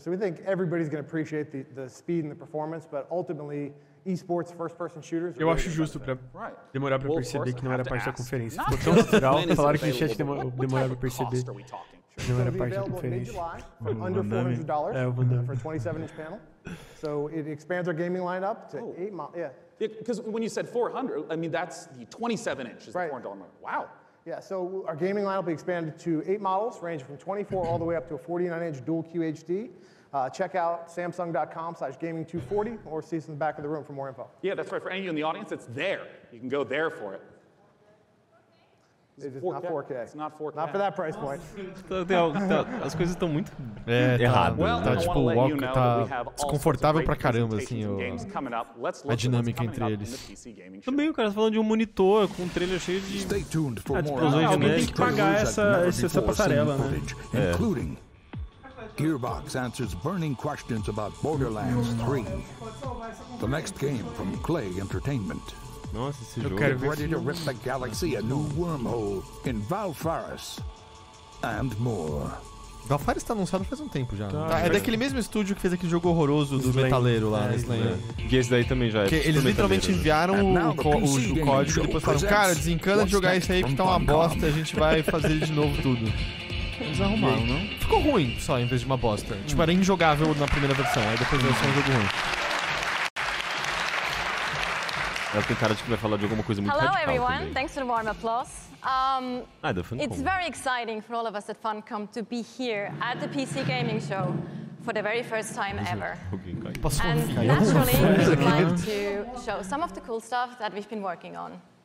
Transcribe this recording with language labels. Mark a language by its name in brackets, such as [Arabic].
[English] So we think everybody's going to appreciate the speed and the performance, but ultimately esports first person shooters. [Portuguese] Eu acho justo para demorar para perceber que não era parte da conferência. Ficou tão natural, falaram que a gente demorava para perceber. Não era parte da conferência. [English] Under $400 for a 27-inch panel. So it expands our gaming lineup to 8 models. Yeah. Because when you said 400, I mean that's the 27-inch is the $400 model. Wow. Yeah, so our gaming line will be expanded to 8 models, ranging from 24 all the way up to a 49-inch dual QHD. Check out samsung.com/gaming240 or see us in the back of the room for more info. Yeah, that's right. For any of you in the audience, it's there. You can go there for it. It's not 4K. Not for that price point. [Portuguese] As coisas estão muito errado. Well, tá, tipo, o walk tá desconfortável pra caramba, assim, a dinâmica entre eles. Também o cara tá falando de um monitor com um trailer cheio de explosões. Alguém tem que pagar essa passarela, né? É. [English] Gearbox answers burning questions about Borderlands 3. The next game from Clay Entertainment. [Portuguese] Nossa, esse eu jogo quero ver [English] ready to rip the galaxy a new wormhole in Valfaris and more. [Portuguese] Valfaris tá anunciado faz um tempo já. Tá, é daquele mesmo estúdio que fez aquele jogo horroroso do Slane. Metaleiro lá, que esse daí também já é. Que eles literalmente enviaram o código e depois falaram: cara, desencana de jogar isso aí que tá uma bosta, a gente vai fazer de novo tudo. Eles arrumaram, não? Ficou ruim só, em vez de uma bosta. Tipo, era injogável na primeira versão, aí depois veio só um jogo ruim. Ela tem cara de que vai falar de alguma coisa muito radical. [English] Hello everyone, thanks for the warm applause. The Funcom. It's very exciting for all of us at Funcom to be here at the PC Gaming Show for the very first time ever. And naturally, we'd like to show some of the cool stuff that we've been working on.